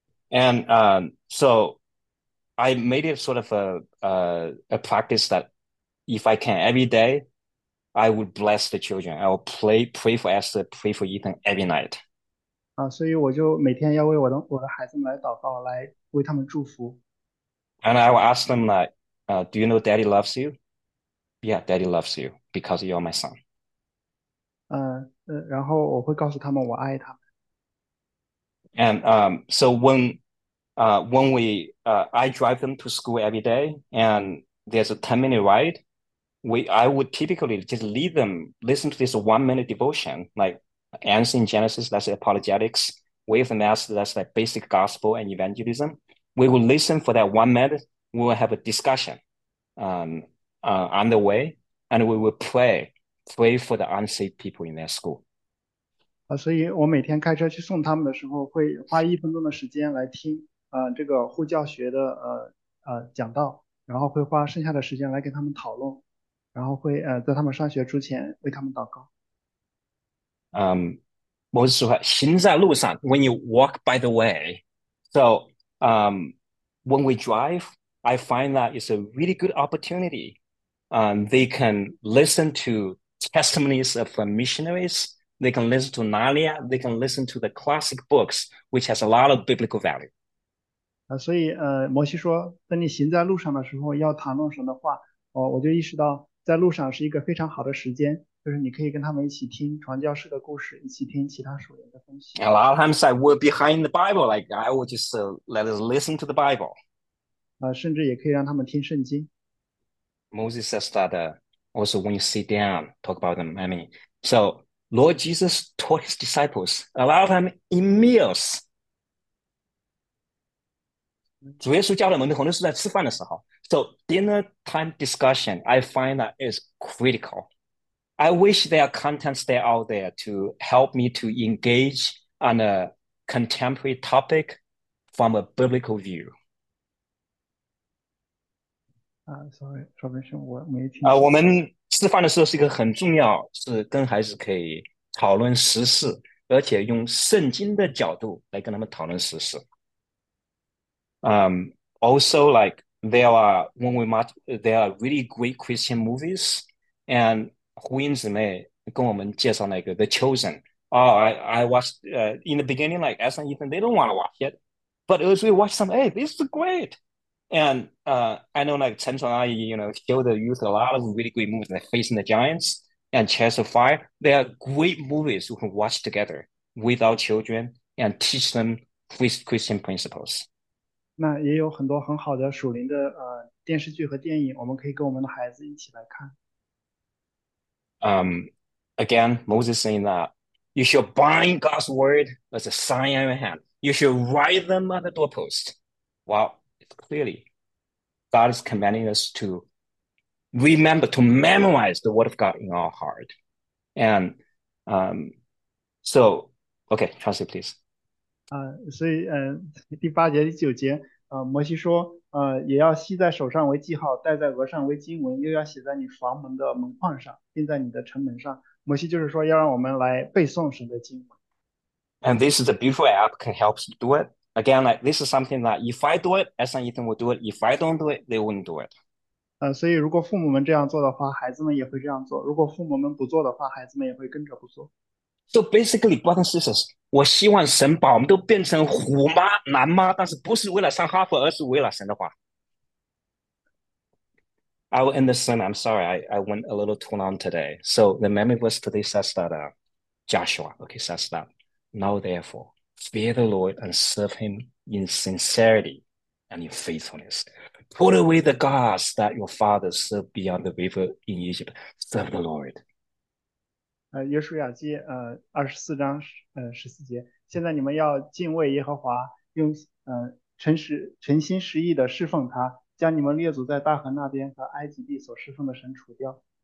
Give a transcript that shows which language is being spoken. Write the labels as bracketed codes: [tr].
[en] And so I made it sort of a practice that if I can every day, I would bless the children. I will pray for Esther, pray for Ethan every night. [zh] 所以我就每天要为我的孩子们来祷告，来为他们祝福。 [en] And I will ask them like, do you know Daddy loves you? Yeah, Daddy loves you because you're my son. [zh] 然后我会告诉他们我爱他们。 [en] So when I drive them to school every day and there's a 10-minute ride, I would typically just leave them, listen to this 1-minute devotion, like answering Genesis, that's apologetics, way of the mass, that's like basic gospel and evangelism. We will listen for that 1 minute. We will have a discussion on the way, and we will pray for the unsaved people in their school. [zh] 所以我每天开车去送他们的时候，会花1分钟的时间来听，这个护教学的讲道，然后会花剩下的时间来跟他们讨论，然后会在他们上学之前为他们祷告。 [en] Moses说, [zh] 行在路上, [en] when you walk by the way. So, when we drive, I find that it's a really good opportunity. They can listen to testimonies of missionaries. They can listen to Narnia. They can listen to the classic books, which has a lot of biblical value. [zh] 所以，摩西说，当你行在路上的时候，要谈论神的话，我就意识到，在路上是一个非常好的时间，就是你可以跟他们一起听传教士的故事，一起听其他属灵的分析。 [en] A lot of times I will behind the Bible, like I will just let us listen to the Bible. [zh] 甚至也可以让他们听圣经。 [en] Moses says that also when you sit down, talk about them. I mean, so Lord Jesus taught his disciples a lot of time in meals. [zh] 主耶稣教导门徒很多是在吃饭的时候。 [en] So dinner time discussion, I find that is critical. I wish there are contents there out there to help me to engage on a contemporary topic from a biblical view. Sorry, [zh] 说没事，我没听啊，清我们吃饭的时候是一个很重要，是跟孩子可以讨论时事，而且用圣经的角度来跟他们讨论时事。 [en] Also, like there are really great Christian movies, and [zh] 胡英姊妹跟我们介绍那个 [en] 《The Chosen》。 I watched in the beginning, like Esther and Ethan, they don't want to watch it, but as we watch some, hey, this is great. And I know like Chen Chuan-Yi, show the youth a lot of really great movies like Facing the Giants and Chariots of Fire. They are great movies we can watch together with our children and teach them Christian principles. [zh] 那也有很多很好的属灵的电视剧和电影，我们可以跟我们的孩子一起来看。 [en] Again, Moses saying that you should bind God's word as a sign on your hand. You should write them on the doorpost. Well, clearly, God is commanding us to remember, to memorize the word of God in our heart. And okay, translate, please. [zh] 所以第8节第9节。摩西说，也要系在手上为记号，戴在额上为经文，又要写在你房门的门框上，钉在你的城门上。摩西就是说，要让我们来背诵神的经文。 [en] And this is a beautiful app can help you do it. Again, like this is something that if I do it, S and Ethan will do it. If I don't do it, they wouldn't do it. [zh] 所以如果父母们这样做的话，孩子们也会这样做；如果父母们不做的话，孩子们也会跟着不做。 [en] So basically, brothers and sisters, [zh] 我希望神把我们都变成虎妈、男妈，但是不是为了上哈佛，而是为了神的话。 [en] I will end the sermon. I'm sorry, I went a little too long today. So the memory verse today says that Joshua, okay, says that. Now, therefore, fear the Lord and serve him in sincerity and in faithfulness. Put away the gods that your fathers served beyond the river in Egypt. Serve the Lord. [zh] 约书亚记24章14节，现在你们要敬畏耶和华，用诚心实意的侍奉他，将你们列祖在大河那边和埃及地所侍奉的神除掉。